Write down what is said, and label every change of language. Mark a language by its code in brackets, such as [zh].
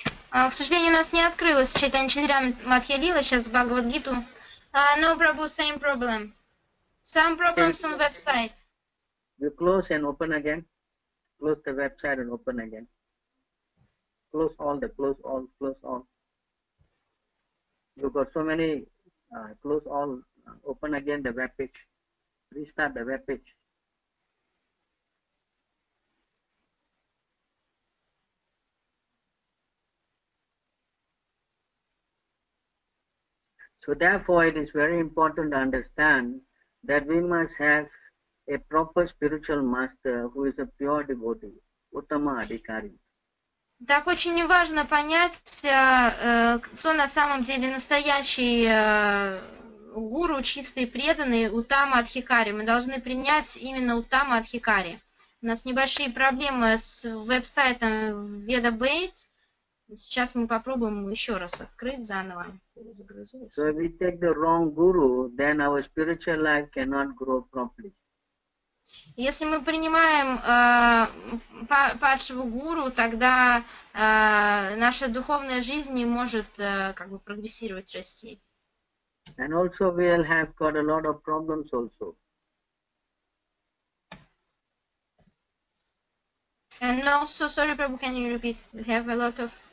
[ru] К сожалению, у нас не открылось читание Чайтанья Чаритамриты Матхья Лила сейчас в Бхагавад Гиту. [en] No, Prabhu, same problem. Some problems on website. You close and open again. Close the website and open again. close all the close all close all. You got so many close all, open again the web page, restart the web page. So therefore it is very important to understand that we must have a proper spiritual master who is a pure devotee, Uttama Adhikari. [ru] Так очень важно понять, кто на самом деле настоящий гуру, чистый преданный, Уттама Адхикари. Мы должны принять именно Уттама Адхикари. У нас небольшие проблемы с веб-сайтом VedaBase. Сейчас мы попробуем еще раз открыть заново. [en] So if we take the wrong guru, then our spiritual life cannot grow properly. [ru] Если мы принимаем падшего гуру, тогда наша духовная жизнь не может как бы прогрессировать, расти. And also we'll have got a lot of problems also. And also, sorry, Prabhu, can you repeat? We have a lot of...